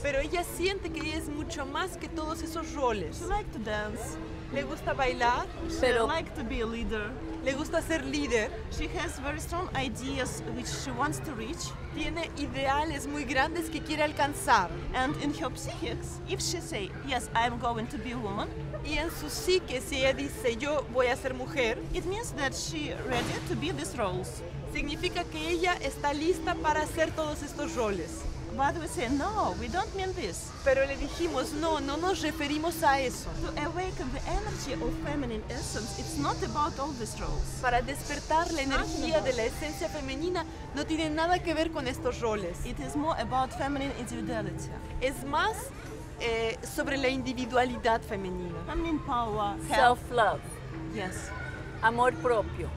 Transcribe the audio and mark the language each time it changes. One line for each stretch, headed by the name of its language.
Spanish: Pero ella siente que ella es mucho más que todos esos roles.
English: She likes to dance.
Spanish: Le gusta bailar. Pero
English: she likes to be a leader.
Spanish: Le gusta ser líder.
English: She has very strong ideas which she wants to reach.
Spanish: Tiene ideales muy grandes que quiere alcanzar.
English: And in her psychics, if she say, yes, I'm going to be a woman.
Spanish: Y en su psique, si ella dice, yo voy a ser mujer.
English: It means that she ready to be these roles.
Spanish: Significa que ella está lista para hacer todos estos roles.
English: But we say, no, we don't mean this.
Spanish: Pero le dijimos, no nos referimos a eso.
English: To awaken the energy of feminine essence, it's not about all these roles.
Spanish: Para despertar la energía de la esencia femenina, no tiene nada que ver con estos roles.
English: It is more about feminine individuality.
Spanish: Es más sobre la individualidad femenina.
English: Feminine power, self-love. Yes.
Spanish: Amor propio.